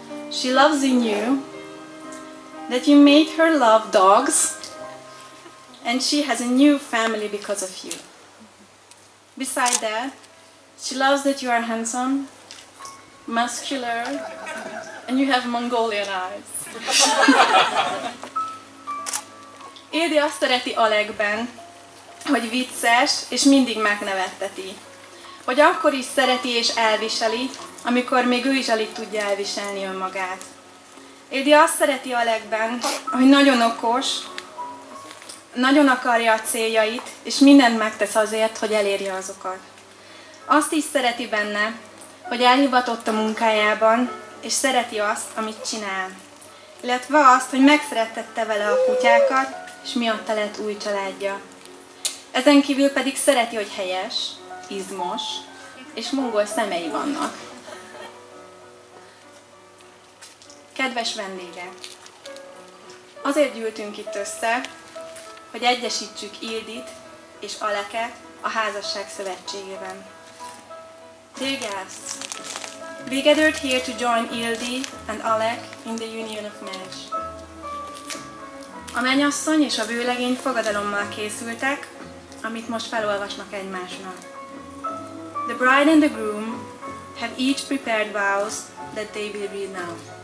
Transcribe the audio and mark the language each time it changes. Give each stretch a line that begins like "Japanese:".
English: She loves in you that you made her love dogs and she has a new family because of you. Beside that, she loves that you are handsome, muscular, and you have Mongolian eyes.
Hungarian: Ildi azt szereti Alekben, hogy vicces és mindig megnevetteti. Hogy akkor is szereti és elviseli, amikor még ő is alig tudja elviselni önmagát. Ildi azt szereti Alekben, hogy nagyon okos, nagyon akarja a céljait, és mindent megtesz azért, hogy elérje azokat. Azt is szereti benne, hogy elhivatott a munkájában, és szereti azt, amit csinál. Illetve azt, hogy megszerettette vele a kutyákat, és miatta lett új családja. Ezen kívül pedig szereti, hogy helyes, izmos, és mongol szemei vannak. Kedves vendége! Azért gyűltünk itt össze, hogy egyesítsük Ildit és Aleket a házasság szövetségében.
English: Dear guests, we gathered here to join Ildi and Alek in the union of marriage.
Hungarian: A mennyasszony és a vőlegény fogadalommal készültek, amit most felolvasnak egymásnak.
English: The bride and the groom have each prepared vows that they will read now.